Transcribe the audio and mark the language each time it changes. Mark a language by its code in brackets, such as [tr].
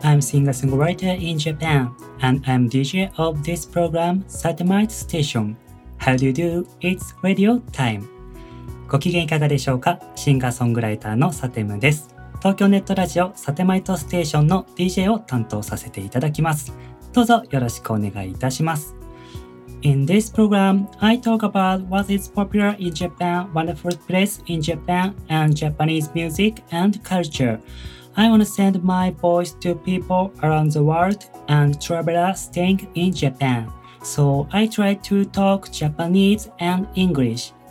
[en] I'm singer-songwriter in Japan, and I'm DJ of this program, Satamite Station. How do you do? It's radio time. [ja] ご機嫌いかがでしょうか？シンガーソングライターのサテムです。東京ネットラジオ、サテマイトステーションの DJ を担当させていただきます。どうぞよろしくお願いいたします。 [en] In this program, I talk about what is popular in Japan, wonderful place in Japan, and Japanese music and culture. I want to send my voice to people around the world and travelers staying in Japan. So I try to talk Japanese and English.